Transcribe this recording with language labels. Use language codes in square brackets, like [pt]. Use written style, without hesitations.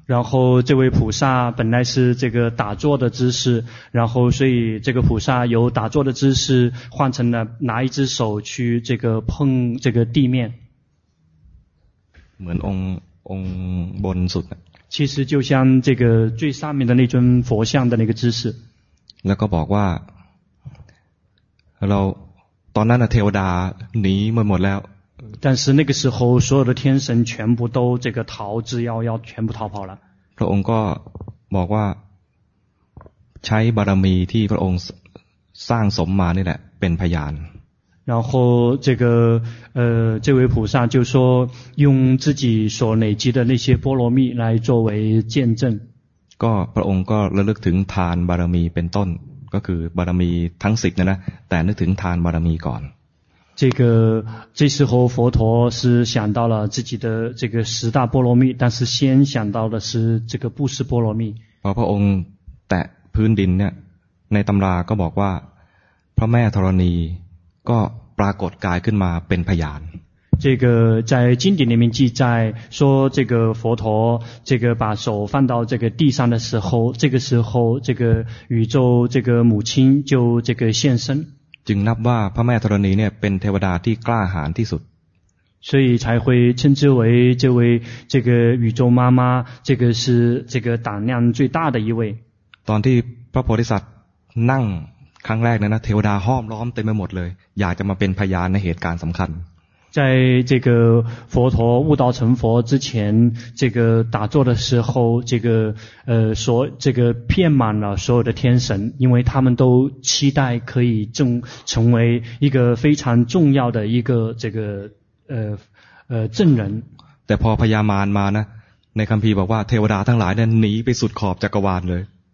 [zh] 然后这位菩萨本来是这个打坐的姿势然后所以这个菩萨由打坐的姿势换成了拿一只手去这个碰这个地面 [th] เหมือนองบนสุด [zh] 其实就像这个最上面的那尊佛像的那个姿势 [th] แล้วก็บอกว่าเราตอนนั้นเทวดาหนีมาหมดแล้ว [zh] 但是那个时候所有的天神全部都这个逃之夭夭全部逃跑了 [th] พระองค์ก็บอกว่าใช้บารมีที่พระองค์สร้างสมมานี่แหละเป็นพยาน [zh] 然后这个这位菩萨就说用自己所累积的那些波罗蜜来作为见证 [th] ก็พระองค์ก็ระลึกถึงทานบารมีเป็นต้นก็คือบารมีทั้งสิบนะแต่นึกถึงทานบารมีก่อน [zh] 这时候佛陀是想到了自己的这个十大波罗蜜但是先想到的是这个布施波罗蜜 [th] พระองค์แตะพื้นดินเนี่ยในตำราก็บอกว่าพระแม่ธรณีก็ปรากฏกายขึ้นมาเป็นพยาน [zh] 这个在经典里面记载说这个佛陀这个把手放到这个地上的时候这个时候这个宇宙这个母亲就这个现身 [th] จึงนับว่าพระแม่ธรณีเนี่ยเป็นเทวดาที่กล้าหาญที่สุด [zh] 所以才会称之为这位这个宇宙妈妈这个是这个胆量最大的一位 [th] ตอนที่พระโพธิสัตว์นั่งครั้งแรกนะเทวดาห้อมล้อมเต็มไปหมดเลยอยากจะมาเป็นพยานในเหตุการณ์สำคัญ [zh] 在这个佛陀悟道成佛之前，这个打坐的时候，这个所这个遍满了所有的天神，因为他们都期待可以成为一个非常重要的一个这个证人。 [th] แต่พอพญามารมานะในคัมภีร์บอกว่าเทวดาทั้งหลายนั้นหนีไปสุดขอบจักรวาลเลย